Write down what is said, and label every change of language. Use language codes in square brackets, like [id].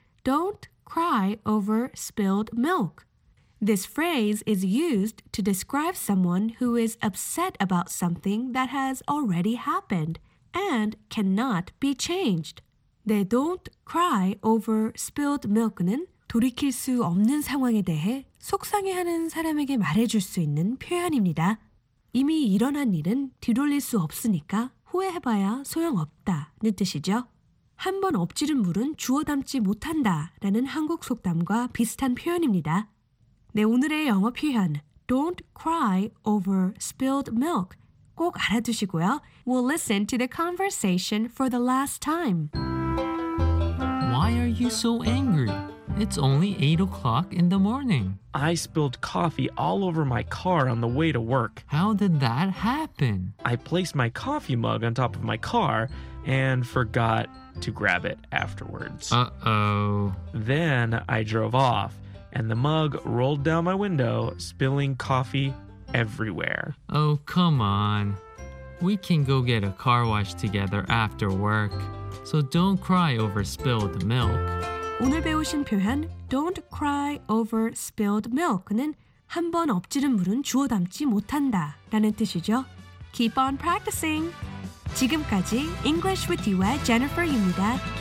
[en] Don't cry over spilled milk. This phrase is used to describe someone who is upset about something that has already happened and cannot be changed. [ko] 네, [en] don't cry over spilled milk는 [ko] 돌이킬 수 없는 상황에 대해 속상해하는 사람에게 말해줄 수 있는 표현입니다. 이미 일어난 일은 뒤돌릴 수 없으니까 후회해봐야 소용없다는 뜻이죠. 한 번 엎지른 물은 주워 담지 못한다라는 한국 속담과 비슷한 표현입니다. 네, 오늘의 영어 표현 [en] Don't cry over spilled milk [ko] 꼭 알아두시고요. [en] We'll listen to the conversation for the last time. Why are you so angry? It's only 8 o'clock in the morning. I spilled coffee all over my car on the way to work. How did that happen? I placed my coffee mug on top of my car and forgot to grab it afterwards. Uh-oh. Then I drove off, and the mug rolled down my window, spilling coffee everywhere. Oh, come on. We can go get a car wash together after work. So don't cry over spilled milk. [ko] 오늘 배우신 표현 [en] Don't cry over spilled milk는 [ko] 한 번 엎지른 물은 주워 담지 못한다 라는 뜻이죠. [en] Keep on practicing! [ko] 지금까지 English with you의 Jennifer입니다.